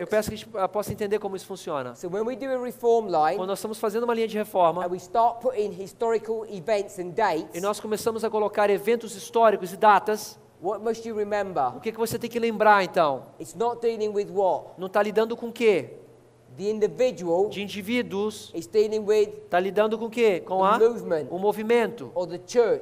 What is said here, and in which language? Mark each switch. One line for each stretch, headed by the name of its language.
Portuguese: Eu peço que a gente possa entender como isso funciona.
English: So when we do a reform line,
Portuguese: quando nós estamos fazendo uma linha de reforma,
English: and we start putting historical events and dates,
Portuguese: e nós começamos a colocar eventos históricos e datas.
English: What must you remember?
Portuguese: O que você tem que lembrar então?
English: It's not dealing with what?
Portuguese: Não está lidando com o quê?
English: The individual.
Portuguese: De indivíduos.
English: Is dealing with.
Portuguese: Está lidando com o quê? Com
English: the
Portuguese: a
English: movement.
Portuguese: O movimento.
English: Or the church.